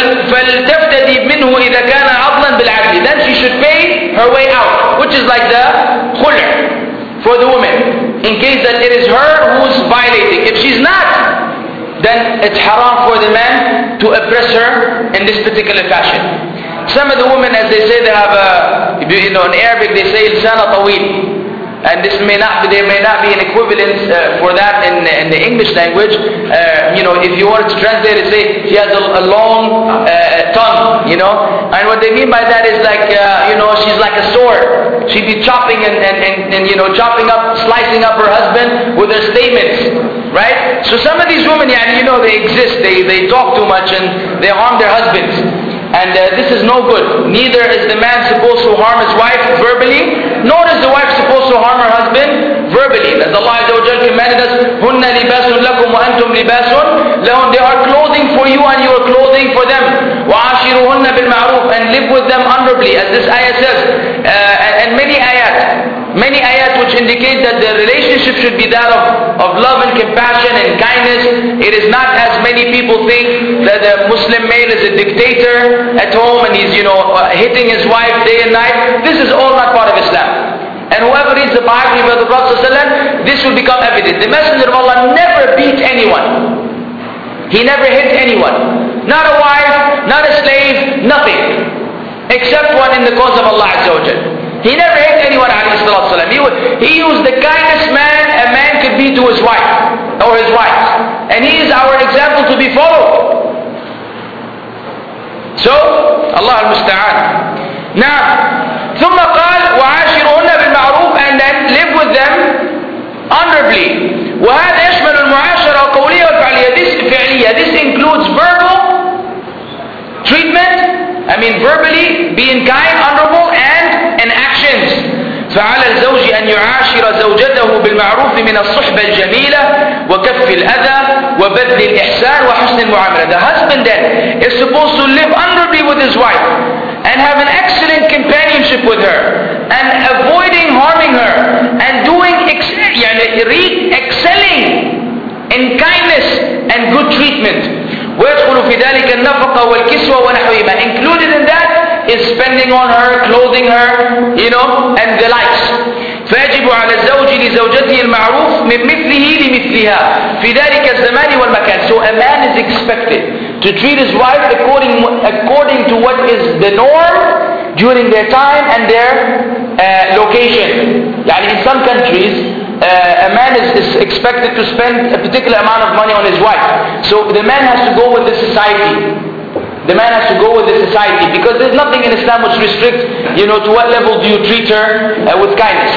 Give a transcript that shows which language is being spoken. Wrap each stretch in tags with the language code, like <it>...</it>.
<ar>فلتفتدي منه إذا كان عضلا بالعدل.</ar> <en>Then she should pay her way out, which is like the خلع for the woman, in case that it is her who's violating. If she's not, then it's haram for the man to oppress her in this particular fashion. Some of the women, as they say, they have in Arabic they say lsana tawil, and this may not be, there may not be an equivalent for that in the English language. If you want to translate it, say she has a long tongue, and what they mean by that is she's like a sword. She'd be chopping slicing up her husband with her statements, right? So some of these women, they exist, they talk too much and they harm their husbands. And this is no good. Neither is the man supposed to harm his wife verbally, nor is the wife supposed to harm her husband verbally. As Allah commanded us,</en> <ar>هُنَّ لِبَاسٌ لَكُمْ وَأَنْتُمْ لِبَاسٌ لَهُمْ.</ar> <en>They are clothing for you and you are clothing for them.</en> <ar>وَعَاشِرُهُنَّ بِالْمَعْرُوفِ,</ar> <en>and live with them honorably, as this ayah says. And many ayat which indicate that the relationship should be that of love and compassion and kindness. It is not as many people think that a Muslim male is a dictator at home and he's, you know, hitting his wife day and night. This is all not part of Islam. And whoever reads the Bible about the Prophet ﷺ, this will become evident. The Messenger of Allah never beat anyone. He never hit anyone. Not a wife, not a slave, nothing. Except one in the cause of Allah Azza wa Jal. He never hit anyone, alayhi salatu wasalam. He was the kindest man a man could be to his wife or his wife. And he is our example to be followed. So, Allah al-Musta'an. Now,</en> <ar>ثم قال وعاشرهن بالمعروف,</ar> <en>and then live with them honorably.</en> <ar>وهذا يشمل المعاشرة القولية والفعلية.</ar> <en>This فعلية. This includes verbal treatment. I mean verbally, being kind, honorable, and in actions.</en> <ar>فعلى الزوج أن يعاشر زوجته بالمعروف من الصحبة الجميلة وكف الأذى وبذل الإحسان وحسن المعاملة.</ar> <en>The husband then is supposed to live honorably with his wife and have an excellent companionship with her, and avoiding harming her, and doing excelling in kindness and good treatment.</en> <ar>ويدخل في ذلك النفقة والكسوة ونحوهما.</ar> <en>Included in that is spending on her, clothing her, you know, and the likes.</en> <ar>فيجب على الزوج لزوجته المعروف من مثله لمثلها في ذلك الزمان والمكان.</ar> <en>So a man is expected to treat his wife according to what is the norm during their time and their location. يعني in some countries, a man is expected to spend a particular amount of money on his wife. So the man has to go with the society. The man has to go with the society, because there's nothing in Islam which restricts, you know, to what level do you treat her with kindness.</en>